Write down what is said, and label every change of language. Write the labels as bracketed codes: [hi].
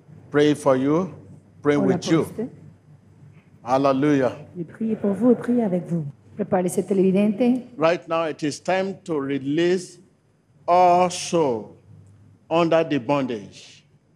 [en] Pray for you, pray with you. Hallelujah. [fr] Je prie pour vous et prie avec vous. Préparez cette évidence. [en] Right now, it is time to release all souls under the bondage.